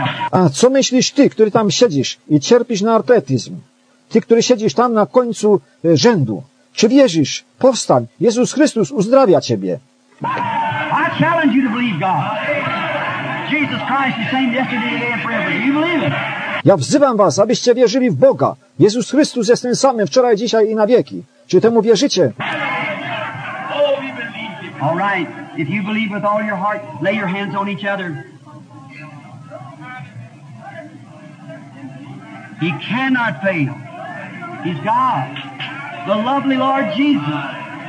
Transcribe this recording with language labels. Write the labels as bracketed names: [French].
[Polish] A co myślisz ty, który tam siedzisz i cierpisz na artretyzm? Ty, który siedzisz tam na końcu rzędu. Czy wierzysz? Powstań. Jezus Chrystus uzdrawia ciebie. [English] Challenge you to believe God. Jesus Christ is the same yesterday, today, and forever. You believe it? [Polish] Ja wzywam was, abyście wierzyli w Boga. Jezus Chrystus jest ten sam wczoraj, dzisiaj i na wieki. Czy temu wierzycie? [English] Oh, we believe him. All right. If you believe with all your heart, lay your hands on each other. He cannot fail. He's God. The lovely Lord Jesus.